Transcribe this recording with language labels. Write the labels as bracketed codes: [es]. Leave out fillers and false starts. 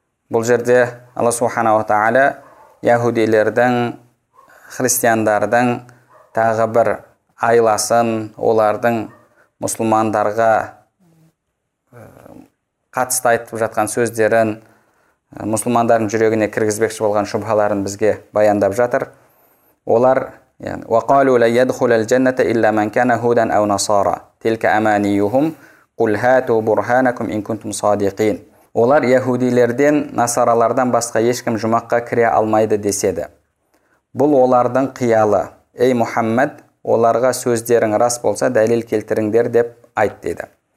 [kk] Бұл жерде Алла субханаһу ва тааля яһудилердің, христиандардың тағы бір айласын, олардың мұсылмандарға қатысты айтып жатқан сөздерін, мұсылмандардың жүрегіне кіргізбекші болған шүбхаларын бізге баяндап жатыр. Олар, яғни, [ar] وقالوا لا يدخل الجنة إلا من كان هودا أو نصارى. تلك أمانيهم. قل هاتوا برهانكم إن كنتم صادقين. [kk] Олар яһудилерден, насаралардан басқа ешкім жұмаққа кіре алмайды деседі. Бұл олардың қиялы. Ей Мұхаммед, оларға сөздерің рас болса, дәлел келтіріңдер деп айт деді.